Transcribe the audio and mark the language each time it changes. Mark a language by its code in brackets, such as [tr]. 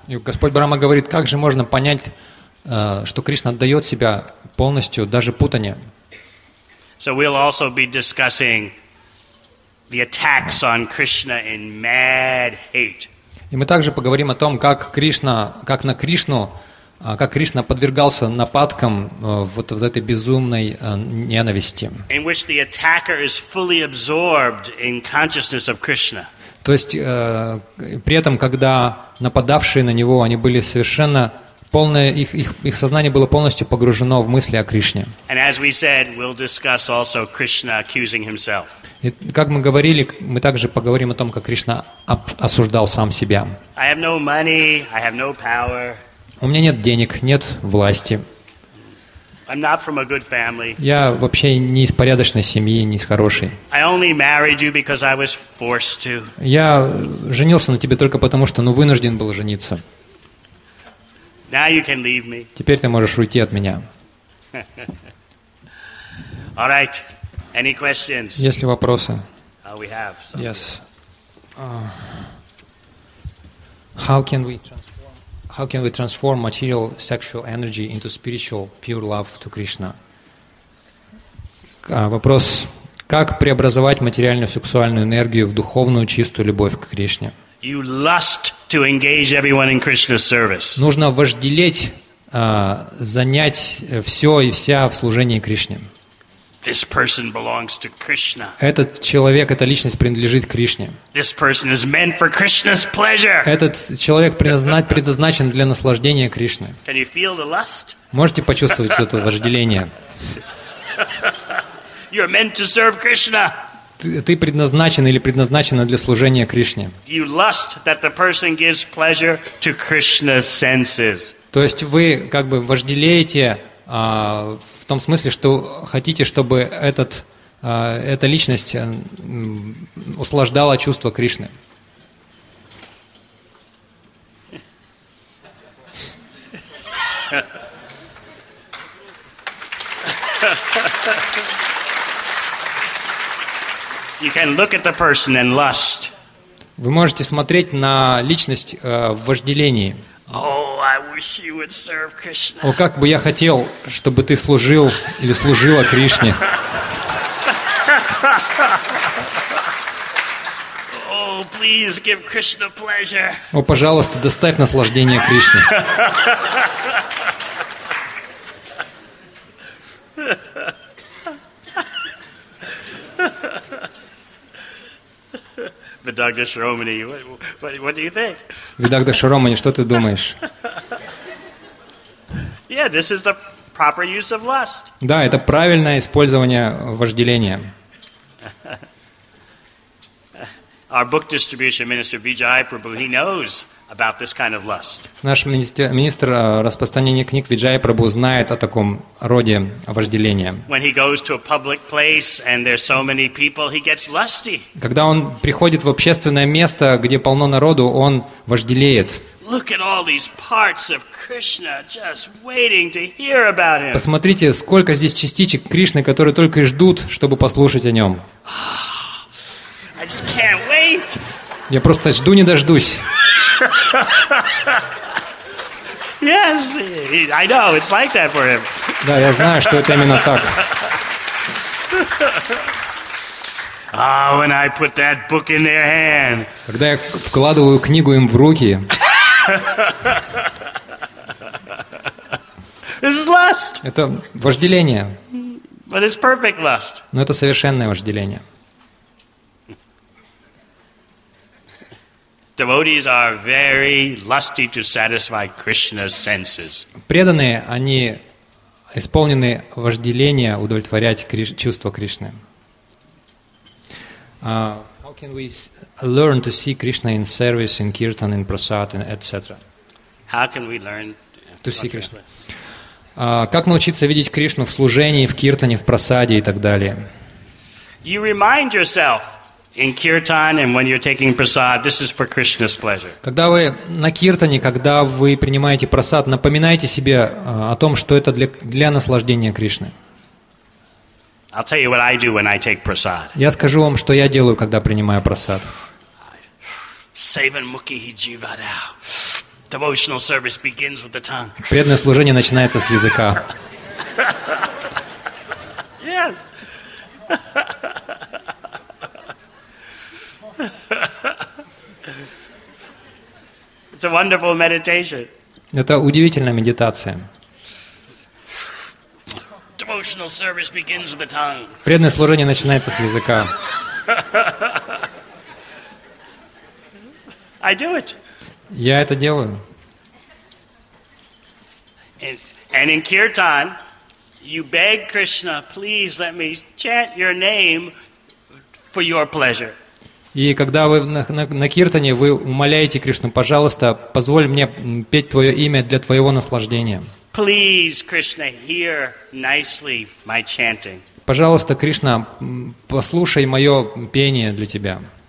[ru] И Господь Брама говорит, как же можно понять, что Кришна отдает себя полностью, даже Путане? [en] So we'll also be discussing the attacks on Krishna in mad hate. [ru] И мы также поговорим о том, как Кришна, как на Кришну, как Кришна подвергался нападкам вот в этой безумной ненависти. [en] In which the attacker is fully absorbed in consciousness of Krishna. [ru] То есть при этом, когда нападавшие на него, они были совершенно полное, их сознание было полностью погружено в мысли о Кришне. [en] And as we said, we'll discuss also Krishna accusing himself. [ru] И как мы говорили, мы также поговорим о том, как Кришна осуждал сам себя. [en] I have no money, I have no power. [ru] У меня нет денег, нет власти. [en] I'm not from a good family. [ru] Я вообще не из порядочной семьи, не из хорошей. [en] I only married you because I was forced to. [ru] Я женился на тебе только потому, что вынужден был жениться. [en] Now you can leave me. [ru] Теперь ты можешь уйти от меня. [en] All right. Any questions? [ru] Есть ли вопросы? [en] We have some. Yes. How can we... How can we transform material sexual energy into spiritual pure love to Krishna? [ru] Вопрос. Как преобразовать материальную сексуальную энергию в духовную чистую любовь к Кришне? [en] You lust to engage everyone in Krishna's service. [ru] Нужно вожделеть, занять все и вся в служении Кришне. [en] This person belongs to Krishna. [ru] Этот человек, эта личность принадлежит Кришне. [en] This person is meant for Krishna's pleasure. [ru] Этот человек предназначен для наслаждения Кришны. [en] Can you feel the lust? [ru] Можете почувствовать это вожделение? [en] You're meant to serve Krishna. [ru] Ты предназначен или предназначена для служения Кришне. [en] You lust that the person gives pleasure to Krishna's senses. [ru] То есть вы как бы вожделеете в том смысле, что хотите, чтобы эта личность услаждала чувства Кришны. [en] You can look at the person and lust. [ru] Вы можете смотреть на личность в вожделении. [en] Oh, I wish you would serve Krishna. [ru] О, как бы я хотел, чтобы ты служил или служила Кришне. [en] please give Krishna pleasure. [ru] О, пожалуйста, доставь наслаждение Кришне. [en] Vidagda Shiromani, what do you think? [ru] Vidagda Shiromani, что ты думаешь? [en] Yeah, this is the proper use of lust. [ru] Да, это правильное использование вожделения. [en] Our book distribution minister Vijay Prabhu, he knows about this kind of lust. [ru] Наш министр распространения книг Виджай Прабху знает о таком роде вожделения. [en] When he goes to a public place and there's so many people, he gets lusty. [ru] Когда он приходит в общественное место, где полно народу, он вожделеет. [en] Look at all these parts of Krishna just waiting to hear about him. [ru] Посмотрите, сколько здесь частичек Кришны, которые только и ждут, чтобы послушать о нем. [en] I just can't wait. [ru] Я просто жду не дождусь. [en] Yes, I know, it's like that for him. [ru] Да, я знаю, что это именно так. [en] Ah, when I put that book in their hand. [ru] Когда я вкладываю книгу им в руки. [en] It's lust. [ru] Это вожделение. [en] But it's perfect lust. [ru] Но это совершенное вожделение. [en] Devotees are very lusty to satisfy Krishna's senses. [ru] Преданные, они исполнены вожделения удовлетворять чувства Кришны. [en] How can we learn to see Krishna in service, in kirtan, in prasad, and etc.? How can we learn to see Krishna? [ru] Как научиться видеть Кришну в служении, в киртане, в прасаде и так далее? [en] You remind yourself. In kirtan and when you're taking prasad, this is for Krishna's pleasure. [ru] Когда вы на киртане, когда вы принимаете прасад, напоминайте себе о том, что это для наслаждения Кришны. [en] I'll tell you what I do when I take prasad. [ru] Я скажу вам, что я делаю, когда принимаю прасад. [sa] Sevan mukhi jivadao. [en] Devotional service begins with the tongue. [ru] Преданное служение начинается с языка. [en] Yes. It's a wonderful meditation. [ru] Это удивительная медитация. [en] Devotional service begins with the tongue. [ru] Преданное служение начинается с языка. [en] I do it. [ru] Я это делаю. [en] And in kirtan, you beg Krishna, please let me chant your name for your pleasure. [ru] И когда вы на киртане, вы умоляете Кришну, пожалуйста, позволь мне петь твое имя для твоего наслаждения. [en] Please, Krishna, hear nicely my chanting. [ru] Пожалуйста, Кришна, послушай мое пение для тебя.